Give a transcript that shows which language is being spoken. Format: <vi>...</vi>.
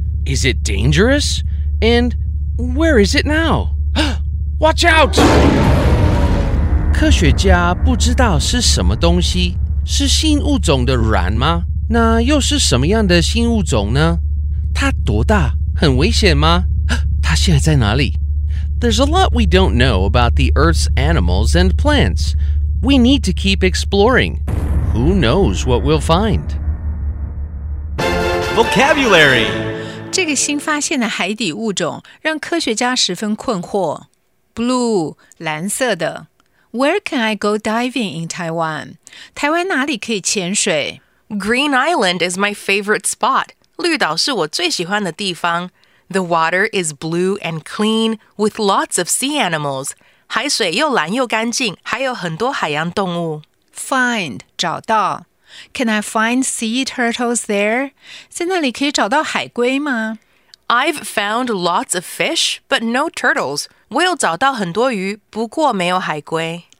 <en>Is it dangerous? And where is it now? Watch out!</en> <zh>科學家不知道是什麼東西，是新物种的卵吗？那又是什么样的新物种呢？它多大？很危险吗？它现在在哪里？</zh> <en>There's a lot we don't know about the Earth's animals and plants. We need to keep exploring. Who knows what we'll find? Vocabulary.</en> <zh>这个新发现的海底物种让科学家十分困惑。</zh> <en>Blue,</en> <zh>蓝色的。</zh> <en>Where can I go diving in Taiwan?</en> <zh>台湾哪里可以潜水?</zh> <en>Green Island is my favorite spot.</en> <zh>绿岛是我最喜欢的地方。</zh> <en>The water is blue and clean with lots of sea animals.</en> <zh>海水又蓝又干净,还有很多海洋动物。</zh> <en>Find,</en> <zh>找到。</zh> <en>Can I find sea turtles there?</en> <zh>在那里可以找到海龟吗?</zh> <en>I've found lots of fish, but no turtles.</en> <zh>我有找到很多鱼，不过没有海龟。</zh>